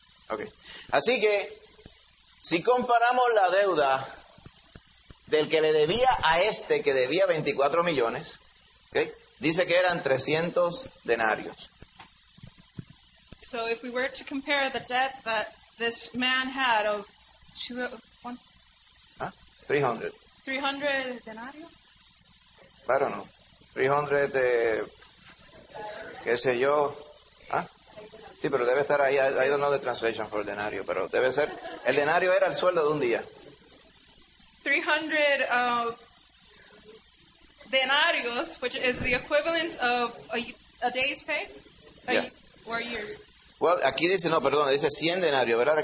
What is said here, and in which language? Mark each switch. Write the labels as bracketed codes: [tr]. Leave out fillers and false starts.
[es] Okay. Así que, si comparamos la deuda del que le debía a este que debía 24 millones, okay, dice que eran 300 denarios. [en] So if we were to compare the debt that this man had of 300 [es] denarios? [en] I don't know. [es] 300 qué sé yo. ¿Ah? Sí, pero debe estar ahí. [en] I don't know the translation for denario, [es] pero debe ser. El denario era el sueldo de un día. [en] 300 denarios, which is the equivalent of a day's pay? Yeah. Or years. [es] Well, aquí dice, no, perdón, dice 100 denarios, ¿verdad?